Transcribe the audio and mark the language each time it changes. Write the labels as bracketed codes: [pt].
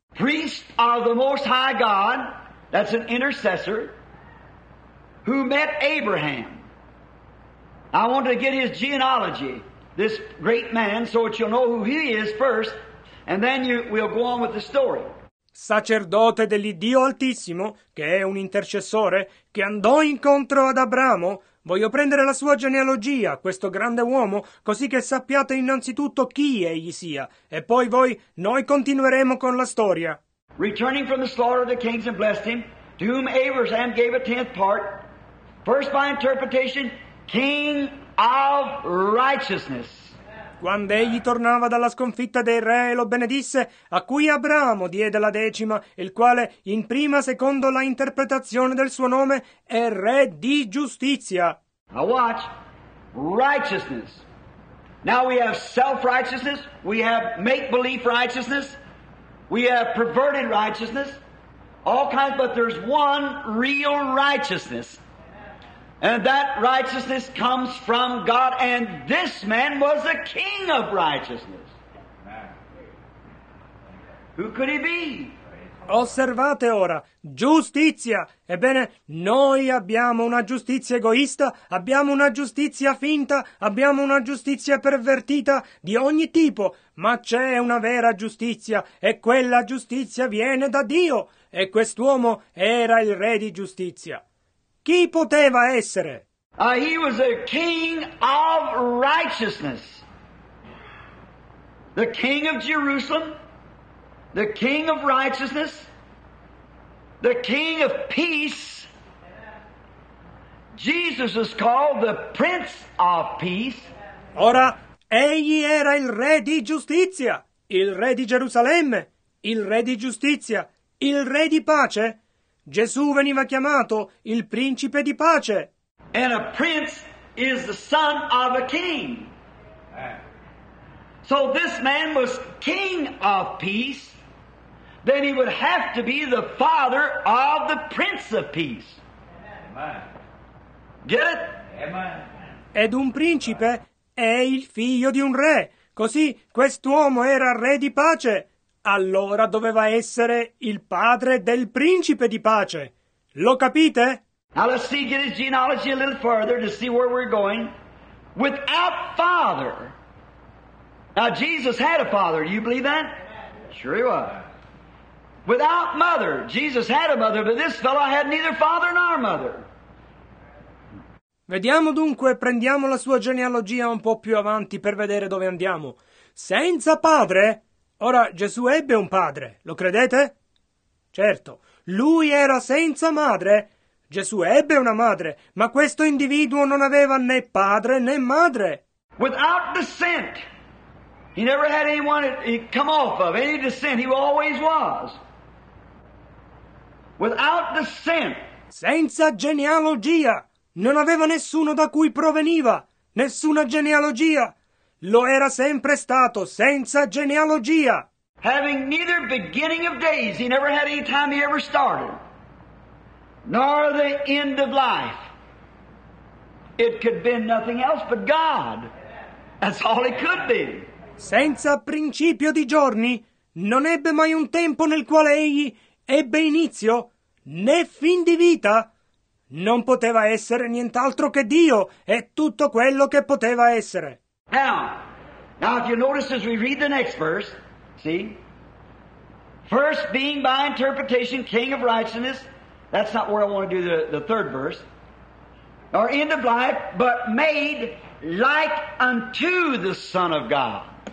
[en] Priest of the Most High God, that's an intercessor, who met Abraham. I wanted to get his genealogy, this great man, so that you'll know who he is first, and then we'll go on with the story. [it] Sacerdote dell'Iddio Altissimo, che è un intercessore, che andò incontro ad Abramo. Voglio prendere la sua genealogia, questo grande uomo, così che sappiate innanzitutto chi egli sia. E poi noi continueremo con la storia. [en] Returning from the slaughter of the kings and blessed him, to whom Abraham gave a tenth part, first by interpretation, king of righteousness. [it] Quando egli tornava dalla sconfitta dei re e lo benedisse, a cui Abramo diede la decima, il quale, in prima secondo la interpretazione del suo nome, è re di giustizia. [en] Now watch, righteousness. Now we have self-righteousness, we have make-belief righteousness, we have perverted righteousness, all kinds, but there's one real righteousness. And that righteousness comes from God, and this man was a king of righteousness. Who could he be? [it] Osservate ora, giustizia. Ebbene, noi abbiamo una giustizia egoista, abbiamo una giustizia finta, abbiamo una giustizia pervertita di ogni tipo, ma c'è una vera giustizia, e quella giustizia viene da Dio, e quest'uomo era il re di giustizia. Chi poteva essere? [en] He was a king of righteousness. The king of Jerusalem, the king of righteousness, the king of peace. Jesus is called the prince of peace. [it] Ora, egli era il re di giustizia, il re di Gerusalemme, il re di giustizia, il re di pace. Gesù veniva chiamato il principe di pace. [en] And a prince is the son of a king. So this man was king of peace, then he would have to be the father of the prince of peace. Get it? [it] Ed un principe è il figlio di un re. Così quest'uomo era re di pace. allora doveva essere il padre del principe di pace. Lo capite? [en] Now let's see, get his genealogy a little further to see where we're going. Without father. Now Jesus had a father, do you believe that? Sure he was. Without mother, Jesus had a mother, but this fellow had neither father nor mother. [it] Vediamo dunque, prendiamo la sua genealogia un po' più avanti per vedere dove andiamo. Senza padre? Ora, Gesù ebbe un padre, lo credete? Certo, lui era senza madre. Gesù ebbe una madre, ma questo individuo non aveva né padre né madre. [en] Without descent. He never had anyone he come off of, any descent, he always was. Without descent. [it] Senza genealogia. Non aveva nessuno da cui proveniva, nessuna genealogia. Lo era sempre stato, senza genealogia. [en] Having neither beginning of days, he never had any time he ever started, nor the end of life. It could be nothing else but God. That's all it could be. [it] Senza principio di giorni, non ebbe mai un tempo nel quale egli ebbe inizio, né fin di vita. Non poteva essere nient'altro che Dio e tutto quello che poteva essere. [en] Now if you notice as we read the next verse, see? First being by interpretation king of righteousness, that's not where I want to do the third verse, or end of life, but made like unto the Son of God.